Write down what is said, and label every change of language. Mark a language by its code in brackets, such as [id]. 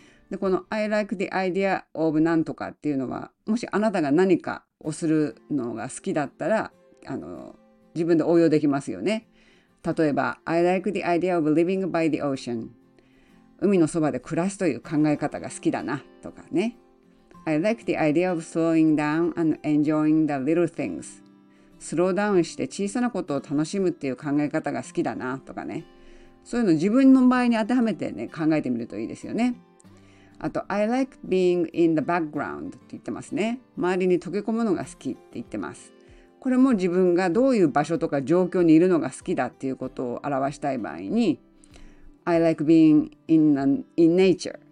[ja] で、この [en] I like the idea of [ja] 何とかっていうのは、もしあなたが何かをするのが好きだったら、自分で応用できますよね。 [en] 例えば、I like the idea of living by the ocean. [ja] 海のそばで暮らすという考え方が好きだなとかね。 [en] I like the idea of slowing down and enjoying the little things. [ja] スローダウンして小さなことを楽しむっていう考え方が好きだなとかね。そういうの自分の場合に当てはめてね、考えてみるといいですよね。あと、 [en] I like being in the background [ja] って言ってますね。周りに溶け込むのが好きって言ってます。これも自分がどういう場所とか状況にいるのが好きだっていうことを表したい場合に、 [en] I like being in nature.